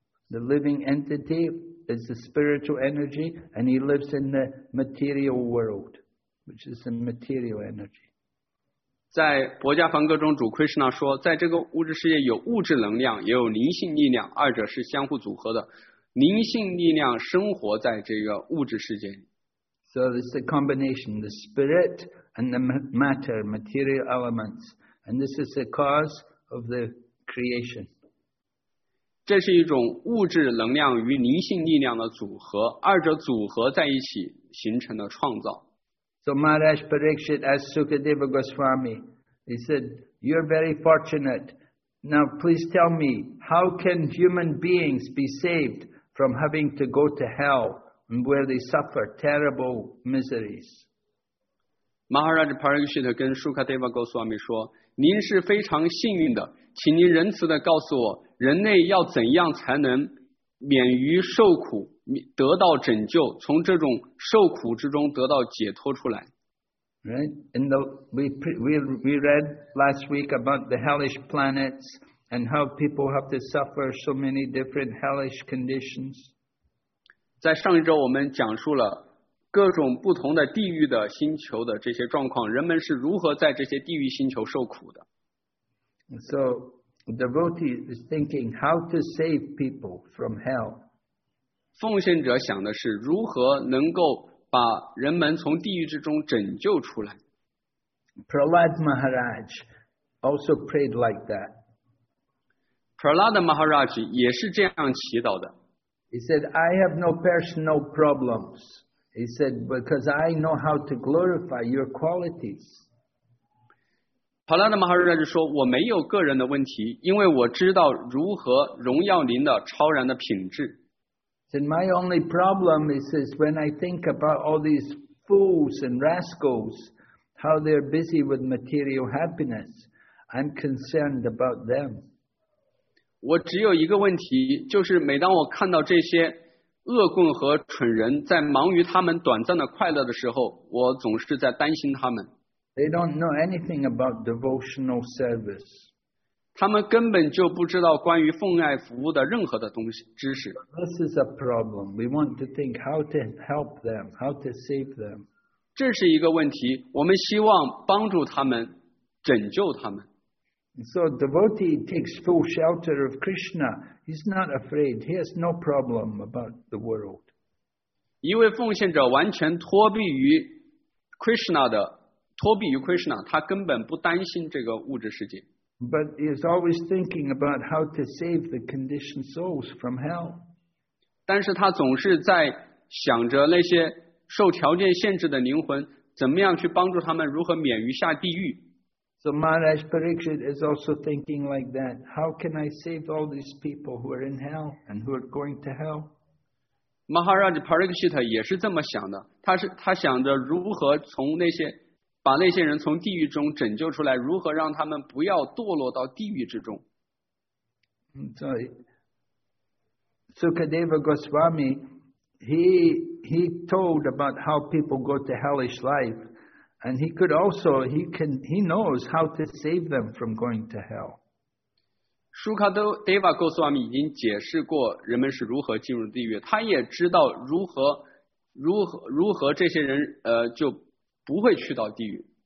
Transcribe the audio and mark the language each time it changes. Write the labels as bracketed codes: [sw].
[en] The living entity is the spiritual energy, and he lives in the material world, which is the material energy. [zh] 在薄伽梵歌中，主 Krishna 说，在这个物质世界有物质能量，也有灵性力量，二者是相互组合的。灵性力量生活在这个物质世界。 [en] So it's a combination, the spirit and the matter, material elements. And this is the cause of the creation. [zh] 这是一种物质能量与灵性力量的组合，二者组合在一起形成的创造。 [en] So Maharaj Parikshit asked Sukadeva Goswami, he said, you're very fortunate. Now please tell me, how can human beings be saved from having to go to hell? And where they suffer terrible miseries. [zh] Maharaj Parikshit 跟 Sukadeva Goswami 说，您是非常幸运的，请您仁慈地告诉我，人类要怎样才能免于受苦，得到拯救，从这种受苦之中得到解脱出来。 Right? [en] And we read last week about the hellish planets and how people have to suffer so many different hellish conditions. [zh] 在上一周我们讲述了各种不同的地狱的星球的这些状况，人们是如何在这些地狱星球受苦的。 [en] So, the devotee is thinking how to save people from hell. [zh] 奉献者想的是如何能够把人们从地狱之中拯救出来。 [en] Prahlad Maharaj also prayed like that. [zh] Prahlad Maharaj 也是这样祈祷的。 [en] He said, I have no personal problems. He said, because I know how to glorify your qualities. [zh] Prahlad Maharaj 说，我没有个人的问题，因为我知道如何荣耀您的超然的品质。 [en] He said, my only problem, he says, when I think about all these fools and rascals, how they're busy with material happiness, I'm concerned about them. [zh] 我只有一个问题，就是每当我看到这些恶棍和蠢人在忙于他们短暂的快乐的时候，我总是在担心他们。 [en] They don't know anything about devotional service. [zh] 他们根本就不知道关于奉爱服务的任何的东西知识。 [en] This is a problem. We want to think how to help them, how to save them. [zh] 这是一个问题，我们希望帮助他们，拯救他们。 [en] So a devotee takes full shelter of Krishna. He's not afraid. He has no problem about the world. [zh] 一位奉献者完全脱避于 Krishna 的，脱避于 Krishna， 他根本不担心这个物质世界。 [en] But he is always thinking about how to save the conditioned souls from hell. [zh] 但是他总是在想着那些受条件限制的灵魂，怎么样去帮助他们，如何免于下地狱。 [en] So Maharaj Parikshit is also thinking like that. How can I save all these people who are in hell and who are going to hell? [zh] Maharaj Parikshit 也是这么想的。他想着如何从那些把那些人从地狱中拯救出来，如何让他们不要堕落到地狱之中。 [en] So Sukadeva Goswami, he told about how people go to hellish life. And he could also, he knows how to save them from going to hell. [zh] Sukadeva Goswami 已经解释过人们是如何进入地狱，他也知道如何这些人就不会去到地狱。